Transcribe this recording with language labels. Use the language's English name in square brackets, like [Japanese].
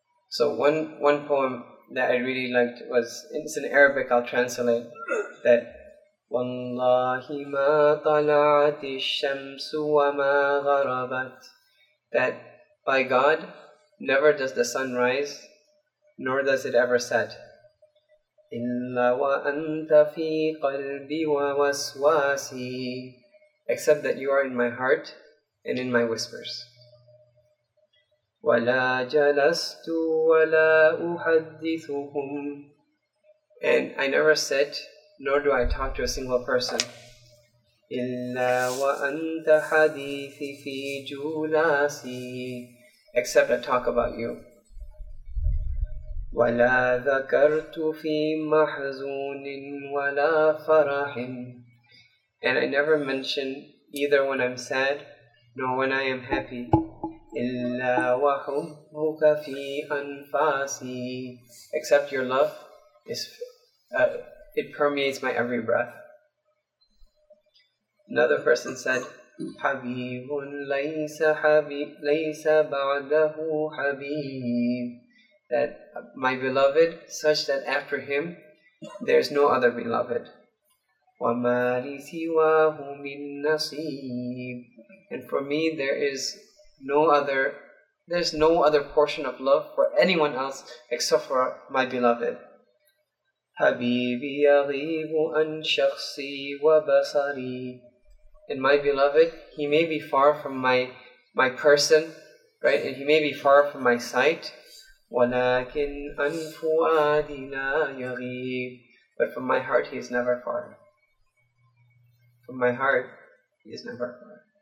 [English] So one poem that I really liked was, it's in Arabic, I'll translate, that [Arabic] والله ما طلعت الشمس وما غربت. [English] That by God, never does the sun rise, nor does it ever set. [Arabic] إلا وأنت في قلبي ووسواسي. [English] Except that you are in my heart and in my whispers. [Arabic] ولا جلست ولا أحدثهم. [English] And I never sit, nor do I talk to a single person. [Arabic] إِلَّا وَأَنْتَ حَدِيثِ فِي جُولَاسِي. [English] Except I talk about you. [Arabic] وَلَا ذَكَرْتُ فِي مَحْزُونٍ وَلَا فَرَحٍ. [English] And I never mention either when I'm sad, nor when I am happy. [Arabic] إِلَّا وَحُبُّكَ فِي أَنْفَاسِي. [English] Except your love is... it permeates my every breath. Another person said, [Arabic] حَبِيبٌ لَيْسَ حَبِيبٌ لَيْسَ بَعْدَهُ حَبِيبٌ. [English] That my beloved, such that after him, there is no other beloved. [Arabic] وَمَا لِي سِوَاهُ مِن نَصِيبٌ. [English] And for me, there's no other portion of love for anyone else except for my beloved. [Arabic] حبيبي يغيب عن شخصي وبصري. [English] And my beloved, he may be far from my person, right? And he may be far from my sight. [Arabic] ولكن عن فؤادي لا يغيب. [English] But from my heart, he is never far. From my heart, he is never far.